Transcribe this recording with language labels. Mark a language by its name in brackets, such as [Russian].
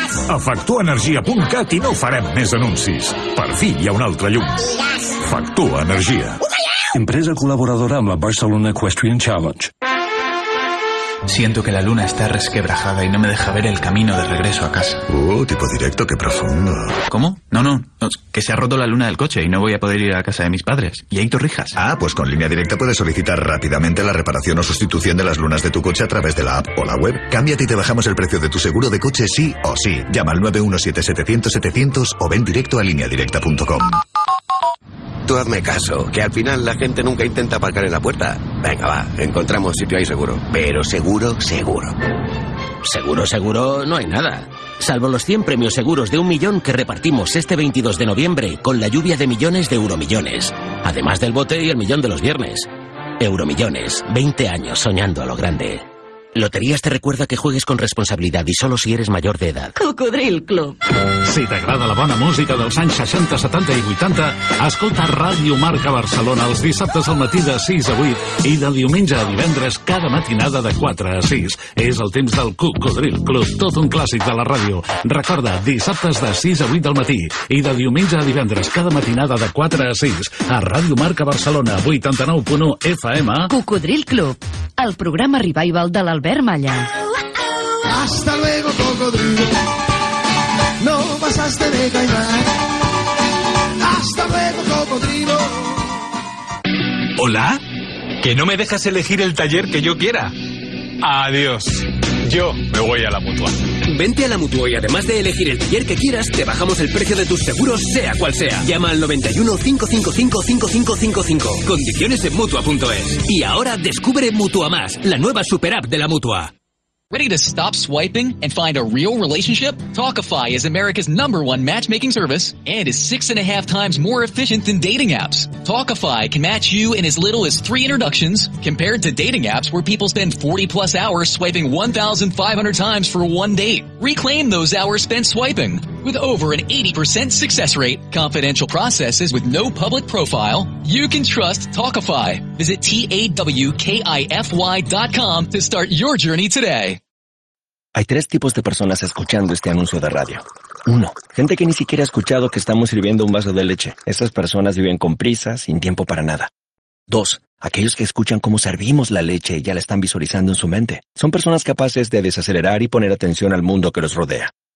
[Catalan] A factorenergia.cat i no farem més anuncis. Per fi hi ha una altra llum. Factor Energia. Empresa col·laboradora amb la Barcelona Equestrian Challenge. [Spanish] Siento que la luna está resquebrajada y no me deja ver el camino de regreso a casa. Tipo directo, qué profundo. ¿Cómo? No, no, no, que se ha roto la luna del coche y no voy a poder ir a casa de mis padres. Y hay torrijas. Ah, pues con Línea Directa puedes solicitar rápidamente la reparación o sustitución de las lunas de tu coche a través de la app o la web. Cámbiate y te bajamos el precio de tu seguro de coche sí o sí. Llama al 917-700-700 o ven directo a lineadirecta.com. Tú hazme caso, que al final la gente nunca intenta aparcar en la puerta. Venga, va, encontramos sitio ahí seguro. Pero seguro, seguro. Seguro, seguro, no hay nada. Salvo los 100 premios seguros de un millón que repartimos este 22 de noviembre con la lluvia de millones de Euromillones. Además del bote y el millón de los viernes. Euromillones, 20 años soñando a lo grande. Loterías te recuerda que juegues con responsabilidad y solo si eres mayor de edad. [Catalan] Cocodril Club. Si t'agrada la bona música dels anys 60, 70 i 80, escolta Ràdio Marca Barcelona els dissabtes al matí de 6 a 8 i de diumenge a divendres cada matinada de 4 a 6. És el temps del Cocodril Club, tot un clàssic de la ràdio. Recorda, dissabtes de 6 a 8 del matí i de diumenge a divendres cada matinada de 4 a 6 a Ràdio Marca Barcelona, 89.1 FM. Cocodril Club, el programa revival de la Albert Malla. [Spanish] Hasta luego, cocodrilo. No pasaste de caimán. Hasta luego, cocodrilo. ¿Hola? Que no me dejas elegir el taller que yo quiera. Adiós. Yo me voy a la Mutua. Vente a la Mutua y además de elegir el taller que quieras, te bajamos el precio de tus seguros, sea cual sea. Llama al 91-555-5555. Condiciones en Mutua.es. Y ahora descubre Mutua Más, la nueva super app de la Mutua. [English] Ready to stop swiping and find a real relationship? Talkify is America's number one matchmaking service and is 6.5 times more efficient than dating apps. Talkify can match you in as little as 3 introductions compared to dating apps where people spend 40 plus hours swiping 1,500 times for one date. Reclaim those hours spent swiping. With over an 80% success rate, confidential processes with no public profile, you can trust Talkify. Visit TAWKIFY.com to start your journey today. [Spanish] Hay tres tipos de personas escuchando este anuncio de radio. Uno, gente que ni siquiera ha escuchado que estamos sirviendo un vaso de leche. Esas personas viven con prisa, sin tiempo para nada. Dos, aquellos que escuchan cómo servimos la leche y ya la están visualizando en su mente. Son personas capaces de desacelerar y poner atención al mundo que los rodea.